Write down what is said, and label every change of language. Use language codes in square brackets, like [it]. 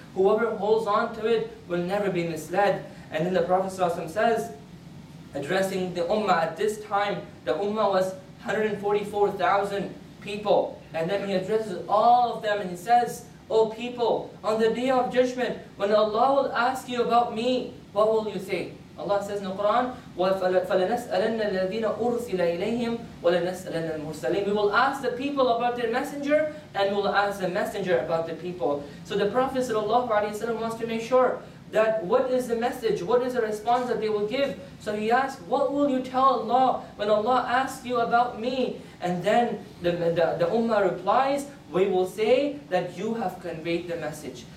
[en] Whoever holds on to it will never be misled. And then the Prophet ﷺ says, addressing the ummah at this time, the ummah was 144,000 people. And then he addresses all of them and he says, O people, on the day of judgment, when Allah will ask you about me, what will you say? Allah says in the Quran, [ar] فَلَنَسْأَلَنَّ الَّذِينَ أُرْسِلَ إِلَيْهِمْ وَلَنَسْأَلَنَّ الْمُرْسَلِينَ. [en] We will ask the people about their messenger, and we will ask the messenger about the people. So the Prophet ﷺ wants to make sure that what is the message, what is the response that they will give. So he asks, what will you tell Allah when Allah asks you about me? And then the ummah replies, we will say that you have conveyed the message.